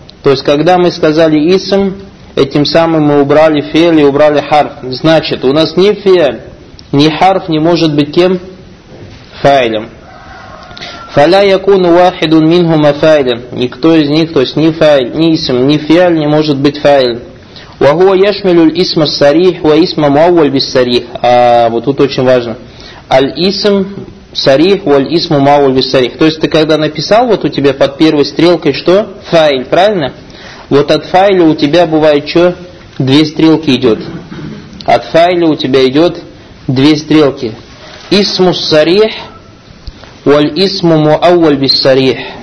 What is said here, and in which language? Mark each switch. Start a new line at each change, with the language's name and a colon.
Russian: То есть, когда мы сказали исм, этим самым мы убрали фиаль и убрали харф. Значит, у нас ни фиаль, ни харф не может быть кем? Файлем.
Arabic: Фаля якуну вахидун минхума файлем.
Russian: Никто из них, то есть ни файль, ни исм, ни фиаль не может быть файлем.
Arabic: وهو يشمل الاسم الصريح واسم مؤول بالصريح.
Russian: А вот тут очень важно.
Arabic: Аль-исм сарих валь-исм мауул бис-сарих.
Russian: То есть ты когда написал, вот у тебя под первой стрелкой что? Файль, правильно? Вот от файля у тебя бывает что? Две стрелки идет. От файля у тебя идет две стрелки.
Arabic: Исму сарих валь-исм мауул бис-сарих.